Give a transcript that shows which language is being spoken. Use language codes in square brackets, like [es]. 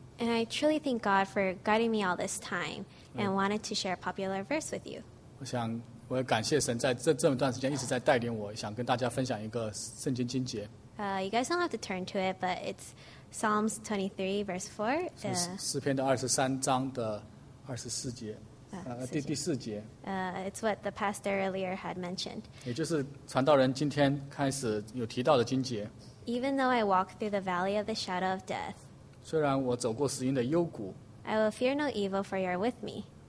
[en] And I truly thank God for guiding me all this time and wanted to share a popular verse with you. [zh] 我也感谢神在这么段时间一直在带领我，想跟大家分享一个圣经经节。 [en] You guys don't have to turn to it, but it's Psalms 23 verse 4. [zh] 诗篇的23章的24节，第四节。 [en] It's what the pastor earlier had mentioned. [zh] 也就是传道人今天开始有提到的经节。 [en] Even though I walk through the valley of the shadow of death, [zh] 虽然我走过死荫的幽谷 [en] I will fear no evil, for you are with me.